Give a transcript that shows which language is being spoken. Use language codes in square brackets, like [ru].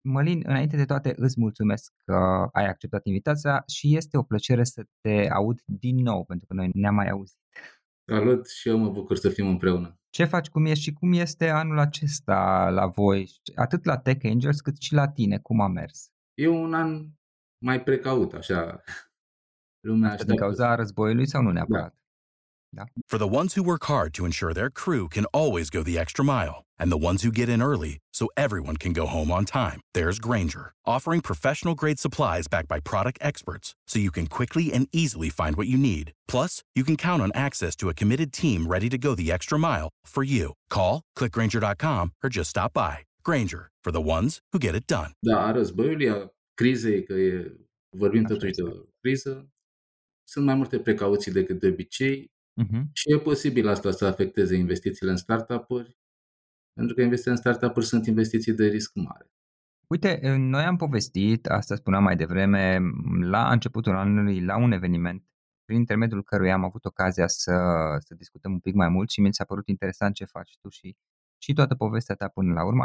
[ro] Mălin, înainte de toate, îți mulțumesc că ai acceptat invitația și este o plăcere să te aud din nou, pentru că noi ne-am mai auzit. Salut și eu mă bucur să fim împreună. Ce faci, cum ești și cum este anul acesta la voi, atât la Tech Angels cât și la tine, cum a mers? E un an mai precaut, așa. Lumea așteaptă. Din cauza războiului sau nu neapărat? Da. [en] For the ones who work hard to ensure their crew can always go the extra mile, and the ones who get in early so everyone can go home on time, there's Grainger, offering professional-grade supplies backed by product experts so you can quickly and easily find what you need. Plus, you can count on access to a committed team ready to go the extra mile for you. Call, click Grainger.com, or just stop by. Grainger, for the ones who get it done. [ro] Da, războiului, crizei, că e, vorbim totuși de criză, sunt mai multe precauții decât de obicei. Și e posibil asta să afecteze investițiile în startup-uri, pentru că investițiile în startup-uri sunt investiții de risc mare. Uite, noi am povestit, asta spuneam mai devreme, la începutul anului, la un eveniment, prin intermediul căruia am avut ocazia să discutăm un pic mai mult și mi s-a părut interesant ce faci tu și toată povestea ta până la urmă.